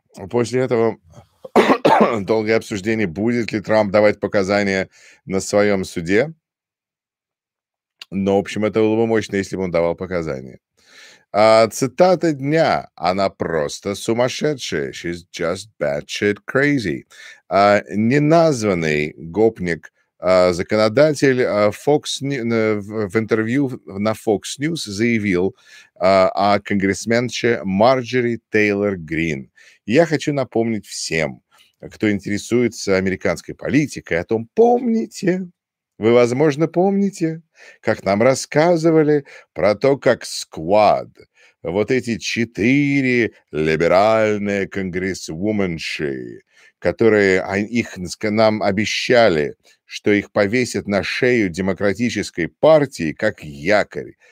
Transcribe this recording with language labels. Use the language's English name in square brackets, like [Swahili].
[Russian] После этого долгое обсуждение, будет ли Трамп давать показания на своем суде. Но, в общем, это было бы мощно, если бы он давал показания. Цитата дня. Она просто сумасшедшая. [English] She's just batshit crazy. [Russian] Неназванный гопник. Законодатель Fox в интервью на Fox News заявил о конгрессменше Марджери Тейлор Грин. Я хочу напомнить всем, кто интересуется американской политикой, о том, помните, вы, возможно, помните, как нам рассказывали про то, как сквад, вот эти четыре либеральные конгрессвуменши, которые их нам обещали, что их повесят на шею демократической партии как якорь.